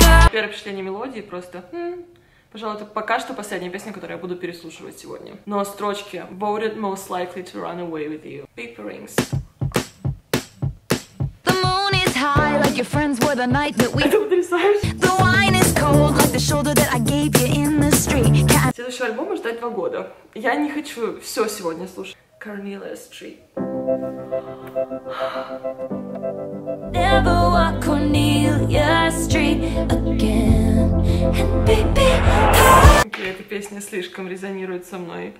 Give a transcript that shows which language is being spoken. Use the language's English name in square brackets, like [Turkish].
[Russian] Первое впечатление мелодии просто... Пожалуй, это пока что последняя песня, которую я буду переслушивать сегодня. Но строчки. [English] Voted most likely to run away with you. Paper rings. The moon is high, like your friends were the night that we... [Russian] Это потрясающе. [English] The wine is cold, like the shoulder that I gave you in the street. Can... [Russian] Следующий альбом ждать 2 года. Я не хочу все сегодня слушать. [English] Cornelia Street. Never walk Cornelia Street again. [Russian] Okay, эта песня слишком резонирует со мной.